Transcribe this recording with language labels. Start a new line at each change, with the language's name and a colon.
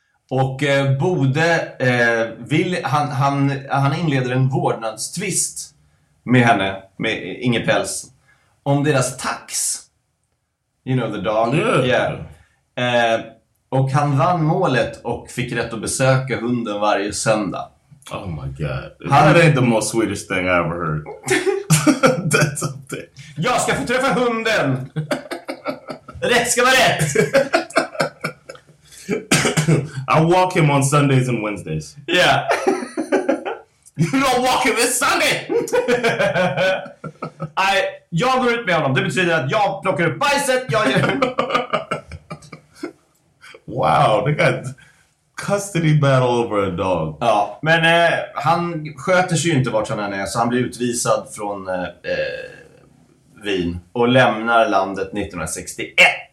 Swedish: Och Bode vill han inleder en vårdnadstvist med henne, med Inge Pels, om deras tax,
English: you know, the dog. Yeah. Yeah.
Swedish: Och han vann målet och fick rätt att besöka hunden varje söndag.
English: Oh my god. That ain't the most Swedish thing I ever heard. That's up there.
Swedish: Jag ska få träffa hunden. Rätt ska vara rätt.
English: I walk him on Sundays and Wednesdays. Yeah. You don't walk him this Sunday.
Swedish: Jag går ut med honom. Det betyder att jag plockar upp bajset.
English: Wow,
Swedish: det kan...
English: custody battle over a dog.
Swedish: Ja, men han sköter sig ju inte vart han än är, så han blir utvisad från Wien och lämnar landet 1961.